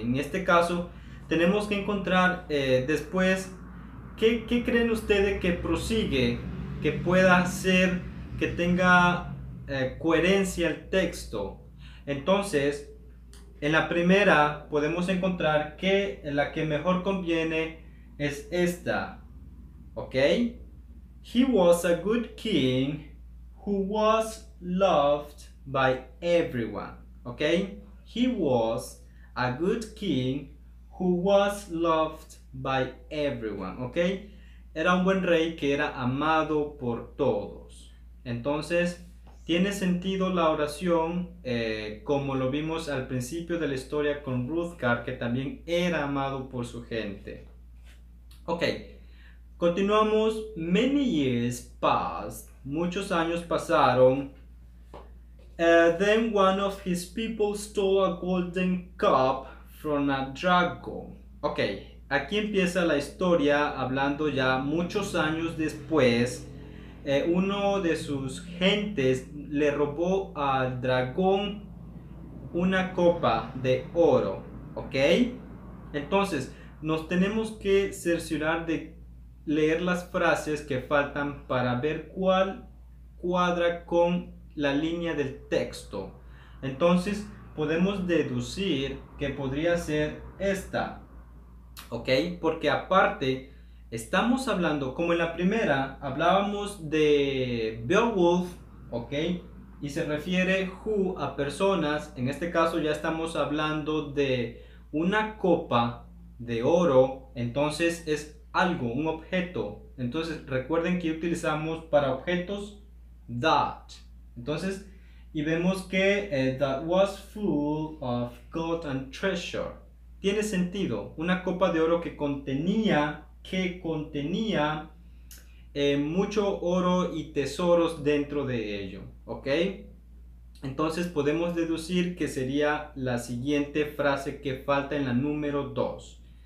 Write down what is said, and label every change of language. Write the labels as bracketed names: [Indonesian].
[Spanish] En este caso, tenemos que encontrar después, ¿qué creen ustedes que prosigue? Que pueda ser, que tenga coherencia el texto. Entonces, en la primera podemos encontrar que la que mejor conviene es esta. ¿Ok? [English] He was a good king who was loved by everyone. ¿Ok? He was a good king who was loved by everyone. [Spanish] ¿Ok? Era un buen rey que era amado por todos. Entonces, tiene sentido la oración como lo vimos al principio de la historia con Hrothgar, que también era amado por su gente. Ok. Continuamos, [English] many years passed, [Spanish] muchos años pasaron, [English] then one of his people stole a golden cup from a dragon. Ok, [Spanish] Aquí empieza la historia, hablando ya muchos años después, uno de sus gentes le robó al dragón una copa de oro, ¿ok? Entonces, nos tenemos que cerciorar de leer las frases que faltan para ver cuál cuadra con la línea del texto. Entonces, podemos deducir que podría ser esta. Ok, porque aparte estamos hablando, como en la primera, hablábamos de Beowulf, ok, y se refiere who a personas. En este caso ya estamos hablando de una copa de oro, entonces es algo, un objeto. Entonces recuerden que utilizamos para objetos that. Entonces, y vemos que [English] that was full of gold and treasure. [Spanish] Tiene sentido, una copa de oro que contenía mucho oro y tesoros dentro de ello, ¿ok? Entonces podemos deducir que sería la siguiente frase que falta en la número 2.